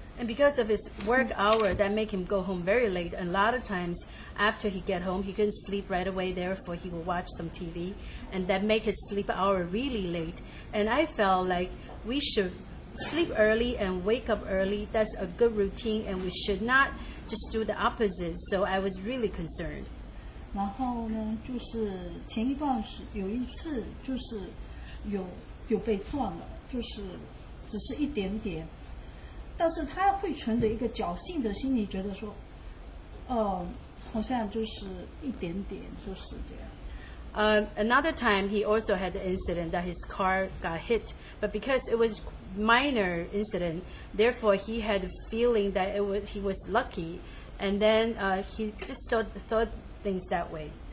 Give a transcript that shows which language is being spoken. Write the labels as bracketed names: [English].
[English] And because of his work hour, that make him go home very late. And a lot of times, after he get home, he couldn't sleep right away. Therefore, he will watch some TV. And that make his sleep hour really late. And I felt like we should sleep early and wake up early. That's a good routine. And we should not just do the opposite. So I was really concerned. [Chinese] 然后呢,就是前一段时,有一次就是有被撞了,就是只是一点点。但是他会存着一个侥幸的心理，觉得说， 好像就是一点点，就是这样。 [English] Another time, he also had the incident that his car got hit, but because it was minor incident, therefore he had a feeling that it was he was lucky, and then he just thought things that way.